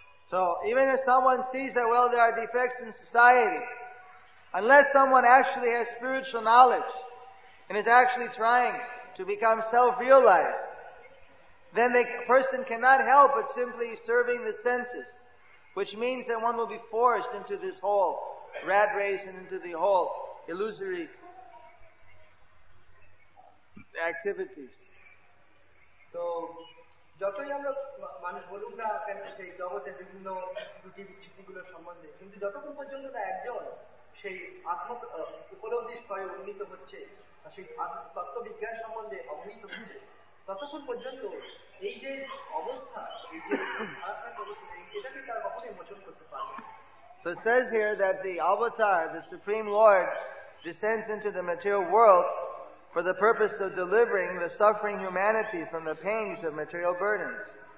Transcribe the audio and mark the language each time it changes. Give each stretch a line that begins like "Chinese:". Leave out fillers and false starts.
English: So even if someone sees that, well, there are defects in society, unless someone actually has spiritual knowledge and is actually trying to become self-realized, then the person cannot help but simply serving the senses, which means that one will be forced into this whole rat race and into the whole illusory activities.
Bangla: So, যতই আমরা মানুষ বলুক না কেন সেই জগতের বিভিন্ন ত্রুটি বিচ্ছুতিগুলো সম্বন্ধে, কিন্তু যতক্ষণ পর্যন্ত না একজন সেই আত্ম উপলব্ধির স্তরে উন্নীত হচ্ছে, সেই তত্ত্ববিজ্ঞান সম্বন্ধে অবহিত হচ্ছে, ততক্ষণ পর্যন্ত এই যে অবস্থা, এই যে আত্মিক অবস্থা, এটাকে তার কখনোই মোচন করতে পারবে না।
English: So it says here that the avatar, the Supreme Lord, descends into the material world for the purpose of delivering the suffering humanity from the pains of material burdens.